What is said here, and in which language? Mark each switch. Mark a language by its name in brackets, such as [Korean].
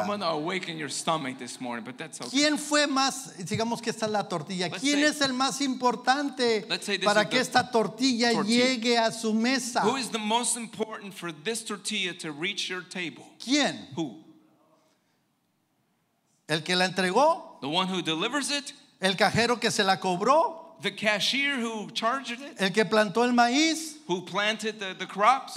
[English] I'm gonna awaken your stomach this morning, but that's okay. [Spanish] ¿Quién fue más? Digamos que está la tortilla. [English] Let's [Spanish] ¿quién [English] say, [Spanish] es el más importante para que esta tortilla llegue a su mesa? [English] Who is the most important for this tortilla to reach your table? [Spanish] ¿Quién? [English] Who? [Spanish] El que la entregó. [English] The one who delivers it. [Spanish] El cajero que se la cobró. [English] The cashier who charged it. [Spanish] El que plantó el maíz. [English] Who planted the crops.